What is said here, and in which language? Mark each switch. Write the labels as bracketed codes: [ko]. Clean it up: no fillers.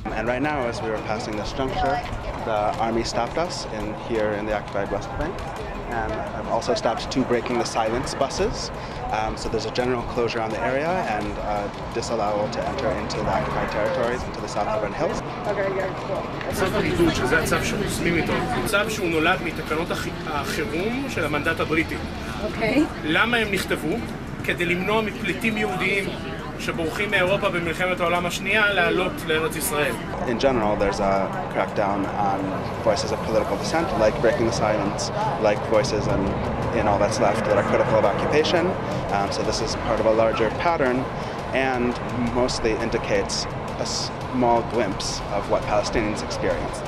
[en] And right now, as we were passing this juncture, the army stopped us here in the occupied West Bank. And I've also stopped two Breaking the Silence buses. So there's a general closure on the area and a disallowal to enter into the occupied territories, into the South Hebron Hills. Okay, yeah, cool. [he] צו הבידוד, שזה הצו שחוסמים איתו, צו שהוא נולד מתקנות החירום של המנדט הבריטי. [en] Okay. [he] למה הם נכתבו? כדי למנוע מפליטים יהודיים שבורחים מאירופה במלחמת העולם השנייה לעלות לארץ ישראל. [en] In general, there's a crackdown on voices of political dissent, like Breaking the Silence, like voices and all that's left that are critical of occupation. So this is part of a larger pattern and mostly indicates a small glimpse of what Palestinians experience.